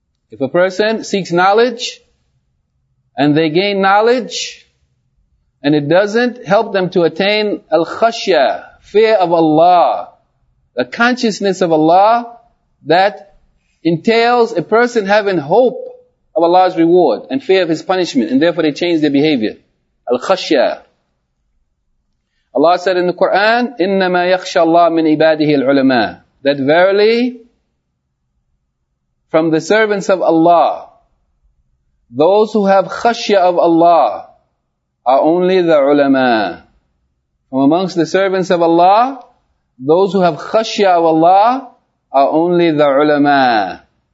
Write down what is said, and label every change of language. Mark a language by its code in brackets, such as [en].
[en] If a person seeks knowledge and they gain knowledge and it doesn't help them to attain al-khashya, fear of Allah, the consciousness of Allah that entails a person having hope of Allah's reward and fear of His punishment, and therefore they change their behavior. Al-Khashya. Allah said in the Quran, [ar] إِنَّمَا يَخْشَى اللَّهُ مِنْ عِبَادِهِ الْعُلَمَاءِ. [en] That verily, from the servants of Allah, those who have khashya of Allah are only the ulama. From amongst the servants of Allah, those who have khashya of Allah are only the ulama.